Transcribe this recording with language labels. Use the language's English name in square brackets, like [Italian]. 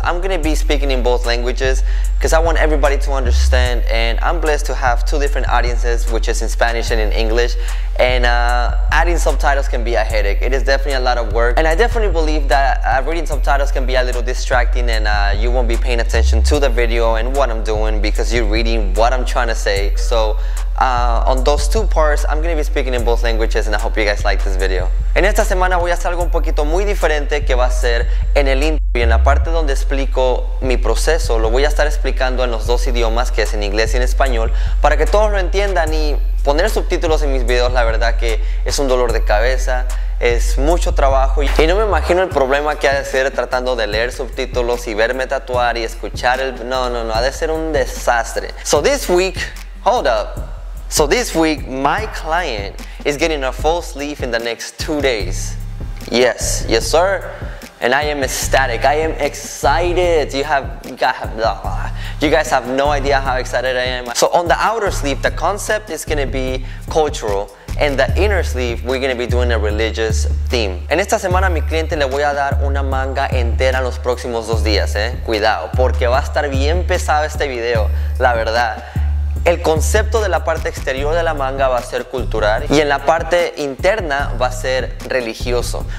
[English] I'm gonna be speaking in both languages because I want everybody to understand, and I'm blessed to have two different audiences, which is in Spanish and in English, and adding subtitles can be a headache. It is definitely a lot of work, and I definitely believe that reading subtitles can be a little distracting, and you won't be paying attention to the video and what I'm doing because you're reading what I'm trying to say. So on those two parts, I'm gonna be speaking in both languages, and I hope you guys like this video. [Spanish] En esta semana voy a hacer algo un poquito muy diferente, que va a ser en el intro y en la parte donde explico mi proceso. Lo voy a estar explicando en los dos idiomas, que es en inglés y en español, para que todos lo entiendan. Y poner subtítulos en mis videos, la verdad que es un dolor de cabeza, es mucho trabajo, y no me imagino el problema que ha de ser tratando de leer subtítulos y verme tatuar y escuchar el... No, ha de ser un desastre. [English] So this week, hold up. So this week, my client is getting a full sleeve in the next 2 days. Yes, yes sir. And I am ecstatic, I am excited. You guys have no idea how excited I am. So on the outer sleeve, the concept is gonna be cultural. And the inner sleeve, we're gonna be doing a religious theme. [Spanish] En esta semana, mi cliente le voy a dar una manga entera en los próximos 2 días, eh. Cuidado, porque va a estar bien pesado este video, la verdad. El concepto de la parte exterior de la manga va a ser cultural y en la parte interna va a ser religioso.